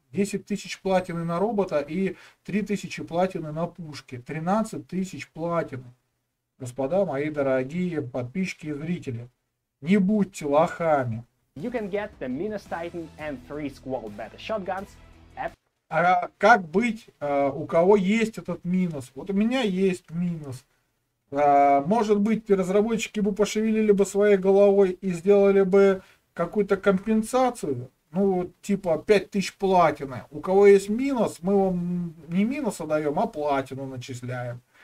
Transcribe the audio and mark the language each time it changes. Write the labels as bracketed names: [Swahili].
[Russian] 10 тысяч платины на робота и 3 тысячи платины на пушке. 13 тысяч платины. Господа мои дорогие подписчики и зрители, не будьте лохами. [English] You can get the Minus Titan and 3 Squall Beta Shotguns. [Russian] А как быть, у кого есть этот минус? Вот у меня есть минус. Может быть, разработчики бы пошевелили бы своей головой и сделали бы какую-то компенсацию? Ну, типа 5000 платины. У кого есть минус, мы вам не минуса даем, а платину начисляем.